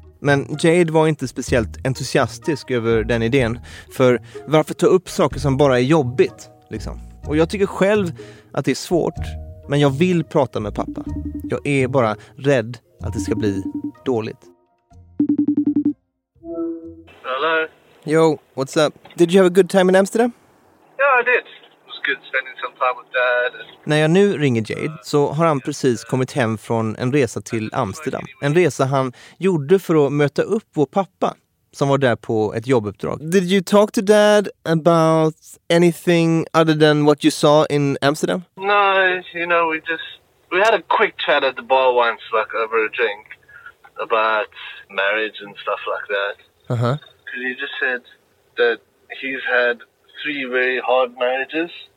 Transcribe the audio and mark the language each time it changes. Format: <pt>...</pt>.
<sv>Men Jade var inte speciellt entusiastisk över den idén. För varför ta upp saker som bara är jobbigt? Liksom. Och jag tycker själv att det är svårt. Men jag vill prata med pappa. Jag är bara rädd att det ska bli dåligt.</sv> <en>Hello. Yo, what's up? Did you have a good time in Amsterdam? Yeah, I did. It was good spending some time with dad.</en> <sv>När jag nu ringer Jade så har han precis kommit hem från en resa till Amsterdam. En resa han gjorde för att möta upp vår pappa som var där på ett jobbuppdrag.</sv> <en>Did you talk to dad about anything other than what you saw in Amsterdam? No, you know, we had a quick chat at the bar once, like over a drink, about marriage and stuff like that. Because he just said that he's had 3 very hard marriages.</en>